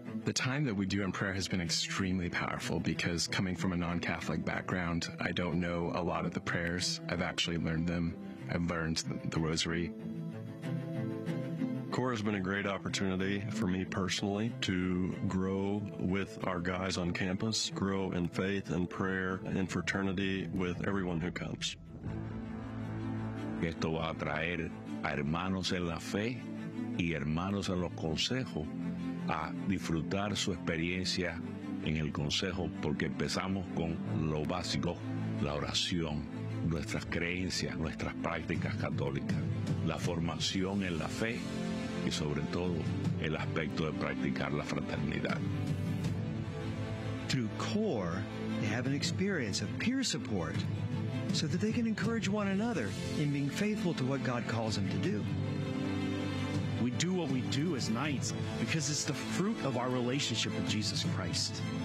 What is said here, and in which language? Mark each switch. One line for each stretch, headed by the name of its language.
English: The time that we do in prayer has been extremely powerful because coming from a non-Catholic background, I don't know a lot of the prayers. I've actually learned them. I've learned the rosary. CORE has been a great opportunity for me personally to grow with our guys on campus, grow in faith and prayer and fraternity with everyone who comes.
Spanish: Esto va a traer a hermanos en la fe y hermanos en los consejos a disfrutar su experiencia en el consejo porque empezamos con lo básico, la oración, nuestras creencias, nuestras prácticas católicas, la formación en la fe y sobre todo el aspecto de practicar la fraternidad.
English: Through CORE, they have an experience of peer support so that they can encourage one another in being faithful to what God calls them to do. We do what we do as Knights because it's the fruit of our relationship with Jesus Christ.